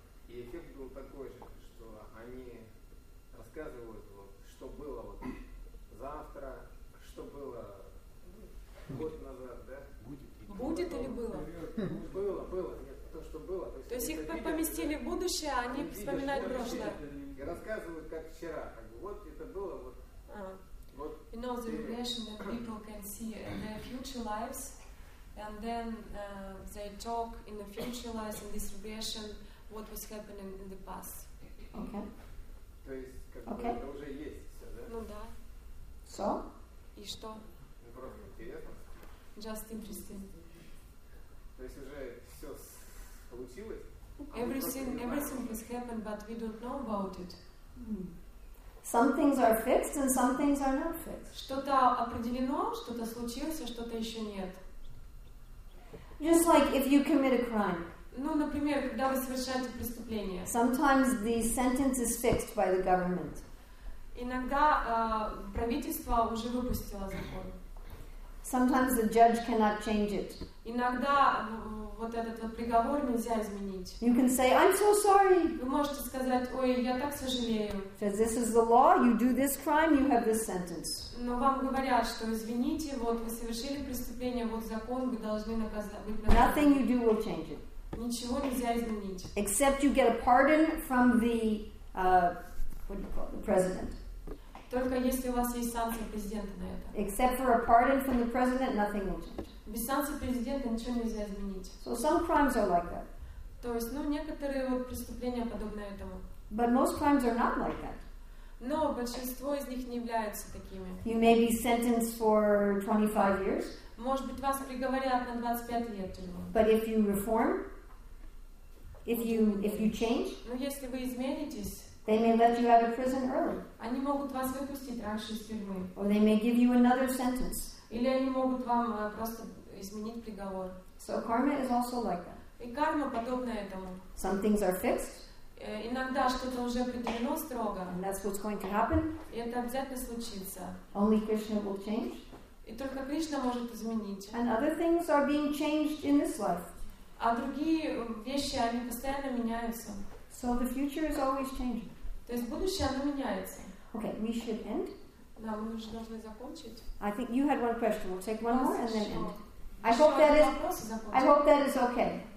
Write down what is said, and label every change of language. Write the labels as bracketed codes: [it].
[ru] И эффект был такой же, что они рассказывают, что было вот завтра, что было год назад, да? Будет или было? Было, было. Нет, то, что было. То есть их поместили в будущее, а они вспоминают прошлое. И рассказывают, как вчера. Вот это было, вот. [en] You know the regression that people can see in their future lives, and then they talk in the future lives in this regression what was happening in the past. Okay. [ru] Okay. Это уже есть все, да? Ну да. So? И что? Просто интересно. [en] Just interesting. [ru] То есть уже все получилось? [en] Everything has happened, but we don't know about it. Some things are fixed and some things are not fixed. [ru] Что-то определено, что-то случилось, а что-то еще нет. [en] Just like if you commit a crime. [ru] Ну, например, когда вы совершаете преступление. [en] Sometimes the sentence is fixed by the government. [ru] Иногда правительство уже выпустило закон. [en] Sometimes the judge cannot change it. [ru] Иногда вот этот вот приговор нельзя изменить. [en] You can say, I'm so sorry. [ru] Вы можете сказать, ой, я так сожалею. [en] Because this is the law, you do this crime, you have this sentence. [ru] Но вам говорят, что извините, вот вы совершили преступление, вот закон, вы должны наказать. [en] Nothing you do will change it. [ru] Ничего нельзя изменить. [en] Except you get a pardon from the, what do you call it, the president. [ru] Только если у вас есть санкция президента на это. [en] Except for a pardon from the president, nothing will change. [ru] Без санкции президента ничего нельзя изменить. [en] So some crimes are like that. [ru] То есть, ну, некоторые вот преступления подобны этому. [en] But most crimes are not like that. [ru] Но большинство из них не являются такими. [en] You may be sentenced for 25 years. [ru] Может быть, вас приговорят на 25 лет тюрьмы. [en] But if you reform, if you change, [ru] ну, если вы изменитесь, [en] they may let you out of prison early. [ru] Они могут вас выпустить раньше из тюрьмы. [en] Or they may give you another sentence. [ru] Или они могут вам просто изменить приговор. [en] So karma is also like that. [ru] И карма подобна этому. [en] Some things are fixed. [ru] Иногда что-то уже определено строго. [en] And that's what's going to happen. [ru] И это обязательно случится. [en] Only Krishna will change. [ru] И только Кришна может изменить. [en] And other things are being changed in this life. [ru] А другие вещи, они постоянно меняются. [en] So the future is always changing. [ru] То есть будущее, оно меняется. [en] Okay, we should end. [ru] Да, мы уже должны закончить. [en] I think you had one question. We'll take one more and then end. I hope that is okay.